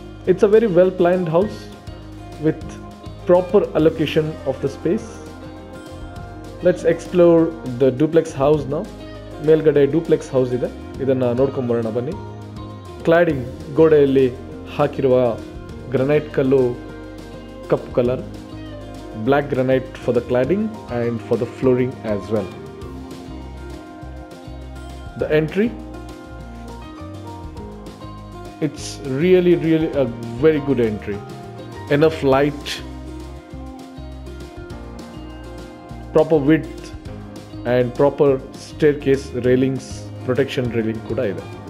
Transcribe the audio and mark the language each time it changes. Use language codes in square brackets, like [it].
[en] It's a very well-planned house with proper allocation of the space. Let's explore the duplex house now. [kn] ಮೇಲ್ಗಡೆ duplex house ಇದೆ, ಇದನ್ನು ನೋಡ್ಕೊಂಡು ಬರೋಣ ಬನ್ನಿ. Cladding ಗೋಡೆಯಲ್ಲಿ ಹಾಕಿರುವ ಗ್ರನೈಟ್ ಕಲ್ಲು ಕಪ್ಪು colour, [en] Black granite for the cladding and for the flooring as well. The entry, it's really a very good entry. Enough light, proper width and proper staircase railings, protection railing [kn] kuda ide.